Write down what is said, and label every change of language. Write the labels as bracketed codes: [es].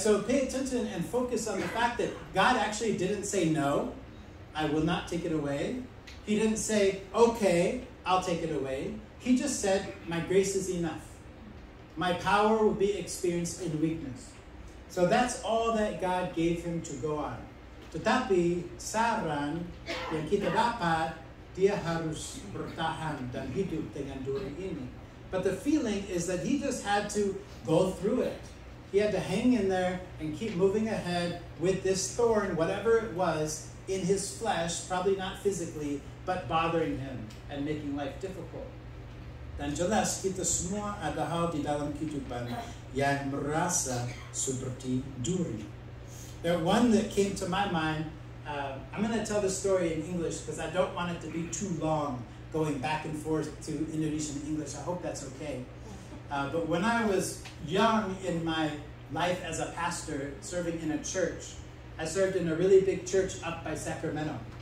[en] So pay attention and focus on the fact that God actually didn't say no, I will not take it away. He didn't say, okay, I'll take it away. He just said, my grace is enough. My power will be experienced in weakness. So that's all that God gave him to go on. [id] Tetapi saran yang kita dapat, dia harus bertahan dan hidup dengan duri ini. [en] But the feeling is that he just had to go through it. He had to hang in there and keep moving ahead with this thorn, whatever it was, in his flesh, probably not physically, but bothering him and making life difficult. [id] Dan jelas kita semua ada hal di dalam kehidupan yang merasa seperti duri. [en] The one that came to my mind, I'm going to tell the story in English because I don't want it to be too long going back and forth to Indonesian English. I hope that's okay. But when I was young in my life as a pastor serving in a church, I served in a really big church up by Sacramento.